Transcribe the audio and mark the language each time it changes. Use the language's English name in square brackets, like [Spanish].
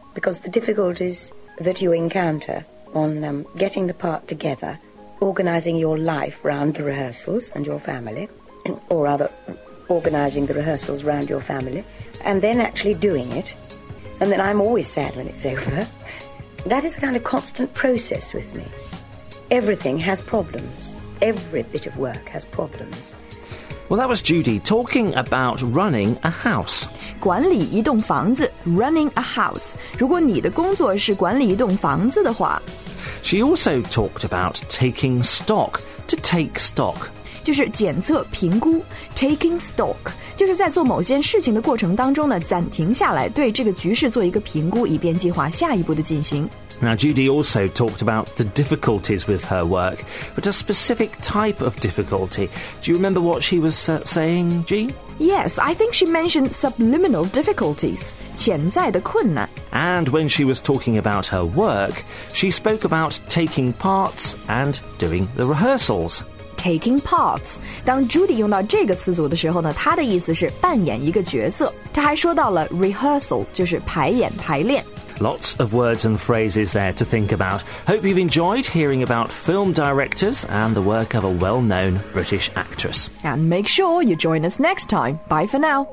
[English] Because the difficulties that you encounter on getting the part together, organising your life round the rehearsals and your family, or rather, organising the rehearsals round your family, and then actually doing it, and then I'm always sad when it's over, that is a kind of constant process with me. Everything has problems. Every bit of work has problems. Well, that was Judy talking about running a house. [Chinese] 管理一栋房子, [English] running a house. [Chinese] 如果你的工作是管理一栋房子的话。 [English] She also talked about taking stock, to take stock. [Chinese] 就是检测评估, [English] taking stock. [Chinese] 就是在做某件事情的过程当中呢，暂停下来，对这个局势做一个评估，以便计划下一步的进行。 [English] Now, Judy also talked about the difficulties with her work, but a specific type of difficulty. Do you remember what she was saying, G? Yes, I think she mentioned subliminal difficulties, [Chinese] 潜在的困难。 [English] And when she was talking about her work, she spoke about taking parts and doing the rehearsals. Taking parts. [Chinese] 当 Judy 用到这个词组的时候呢，她的意思是扮演一个角色。她还说到了 rehearsal, 就是排演排练。 [English] Lots of words and phrases there to think about. Hope you've enjoyed hearing about film directors and the work of a well-known British actress. And make sure you join us next time. Bye for now.